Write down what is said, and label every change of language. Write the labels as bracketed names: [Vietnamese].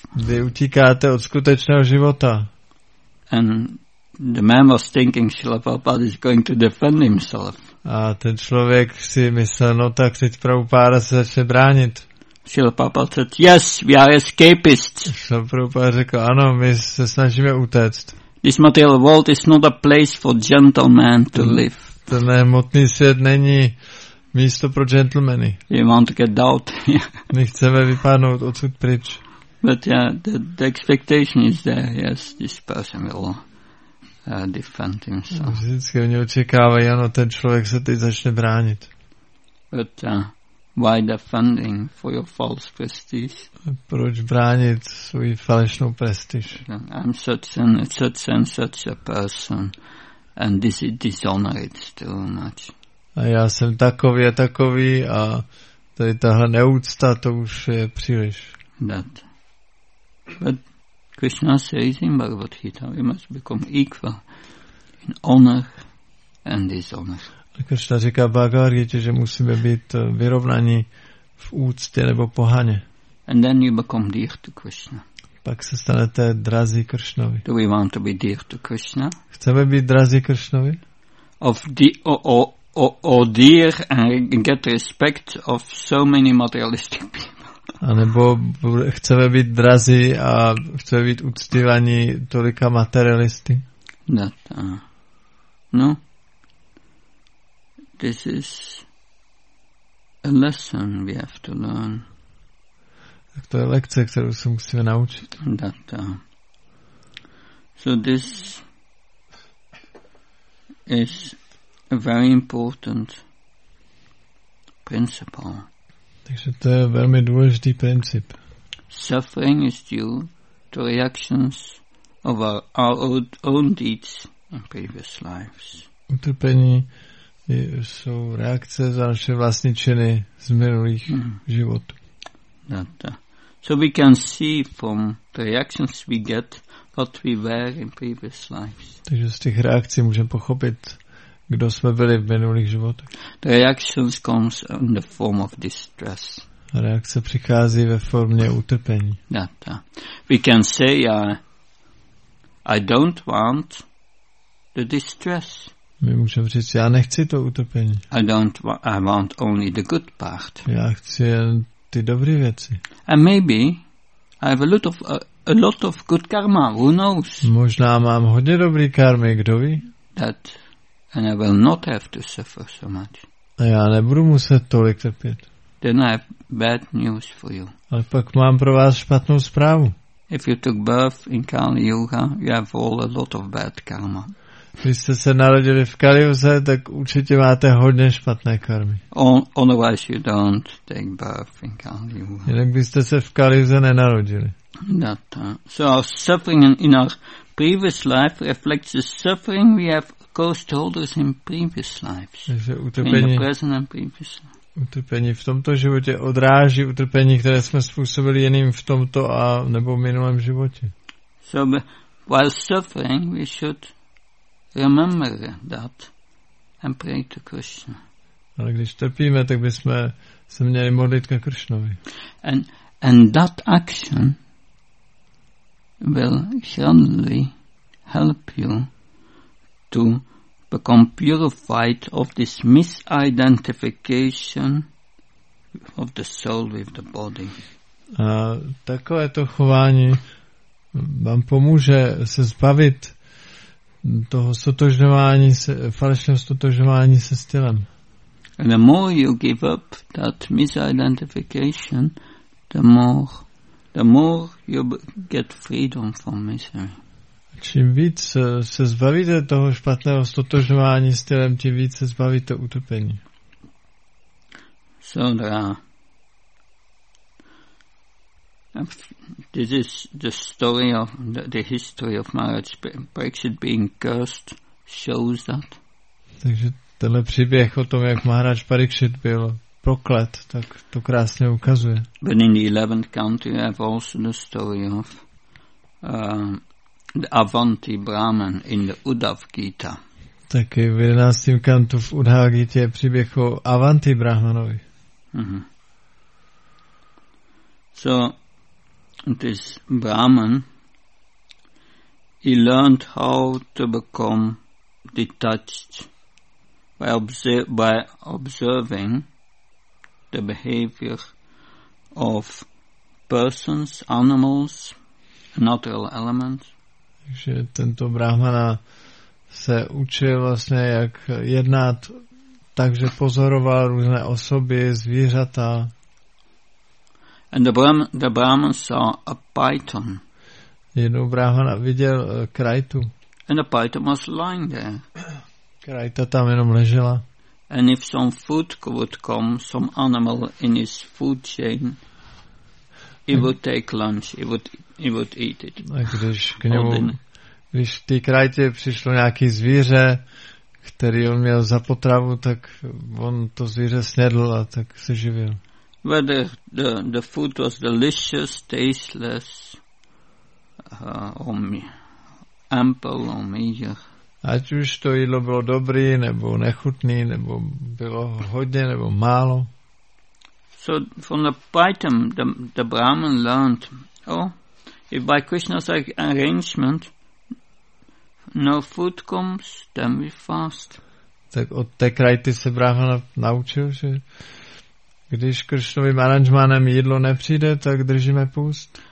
[Czech] Vy utíkáte od skutečného života. [English] And the man was thinking Srila Prabhupada is going to defend himself. [Czech] A ten člověk si myslel, no tak teď Prabhupada se začne bránit. [English] Srila Prabhupada said, yes, we are escapists. [Czech] Srila Prabhupada řekl, ano, my se snažíme utéct. [English] This material world is not a place for gentlemen to live. [Czech] Ten hmotný svět není místo pro gentlemany. [English] You want to get out. [Czech] My chceme vypadnout odsud pryč. [English] But yeah, the expectation is there, yes, this person will defend himself. [Czech] Vždycky oni očekávají, ano, ten člověk se teď začne bránit. [English] But why defending for your false prestige? [Czech] Proč bránit svůj falešnou prestiž? [English] I'm such a person and this is dishonored too much. [Czech] A já jsem takový a takový a tady tahle neúcta, to už je příliš. [English] That. But Krishna says in Bhagavad Gita, we must become equal in honor and dishonor. [Czech] Krishna říká Bhagavad Gita, že musíme být vyrovnaní v úctě nebo pohaně. [English] And then you become dear to Krishna. [Czech] Pak se stanete drazí Krishnovi. [English] Do we want to be dear to Krishna? [Czech] Chceme být drazí Krishnovi? [English] Or dear and get respect of so many materialistic people. [Czech] A nebo chceme být drazí a chceme být uctívaní tolika materialisty? [English] That, no, this is a lesson we have to learn. [Czech] Tak to je lekce, kterou se musíme naučit. [English] That, so this is a very important principle. [Czech] Takže to je velmi důležitý princip. [English] Suffering is due to reactions of our own deeds in previous lives. [Czech] Utrpení jsou reakce za naše vlastní činy z minulých životů. [English] So we can see from the reactions we get what we were in previous lives. [Czech] Takže z těch reakcí můžeme pochopit, kdo jsme byli v minulých životech. [English] The reactions comes in the form of distress. [Czech] Reakce přichází ve formě utrpení. [English] That, we can say I don't want the distress. [Czech] My můžeme říct, já nechci to utrpení. [English] I want only the good part. [Czech] Já chci jen ty dobré věci. [English] And maybe I have a lot of good karma, who knows? [Czech] Možná mám hodně dobrý karmy, kdo ví? [English] That. And I will not have to suffer so much. [Czech] A já nebudu muset tolik trpět. [English] Then I have bad news for you. [Czech] Ale pak mám pro vás špatnou zprávu. [English] If you took birth in Kali Yuga, you have all a lot of bad karma. [Czech] Když jste se narodili v Kali Yuze, tak určitě máte hodně špatné karmy. [English] Otherwise you don't take birth in Kali Yuga. [Czech] Jinak byste se v Kali Yuze nenarodili. [English] So our suffering in our previous life reflects the suffering we have caused others in previous lives. [Czech] Takže utrpení, [English] present and previous life. [Czech] Utrpení v tomto životě odráží utrpení, které jsme způsobili jiným v tomto a nebo minulém životě. [English] So while suffering, we should remember that and pray to Krishna. [Czech] Ale když trpíme, tak bychom se měli modlit ke Krishnovi. [English] And that action will surely help you to become purified of this misidentification of the soul with the body. [Czech] A takové to chování vám pomůže se zbavit toho sotožňování se, falešného sotožňování se s tělem. [English] And the more you give up that misidentification, the more you get freedom from misery. [Czech] Čím víc se zbavíte toho špatného stotožňování s tělem, tím víc se zbavíte utrpení. [English] So there are. This is the story of the history of marriage. Brexit being cursed shows that. [Czech] Takže tenhle příběh o tom, jak Maharaj Parikshit byl proklet, tak to krásně ukazuje. [English] But in the 11th country I have also the story of the Avanti Brahman in the Uddhava Gita. [Czech] Taky v 11. kantu v Uddhava Gita je příběh o Avanti Brahmanovi. [English] So this Brahman, he learned how to become detached by observing the behavior of persons, animals, natural elements. [Czech] Takže tento Brahmana se učil vlastně, jak jednat tak, že pozoroval různé osoby, zvířata. [English] And the Brahman saw a python. [Czech] Jednou Brahmana viděl krajtu. [English] And the python was lying there. [Czech] Krajta tam jenom ležela. [English] And if some food would come, some animal in his food chain, he would take lunch, he would eat it. [Czech] A když k němu, když v té krajtě přišlo nějaký zvíře, který on měl za potravu, tak on to zvíře snědl a tak se živil. [English] Whether the food was delicious, tasteless, ample or meager. [Czech] Ať už to jídlo bylo dobrý, nebo nechutný, nebo bylo hodně, nebo málo. [English] So from the python, the Brahman learned, if by Krishna's arrangement, no food comes, then we fast. [Czech] Tak od té krajty se Brahmana naučil, že když Krishnovým aranžmánem jídlo nepřijde, tak držíme půst.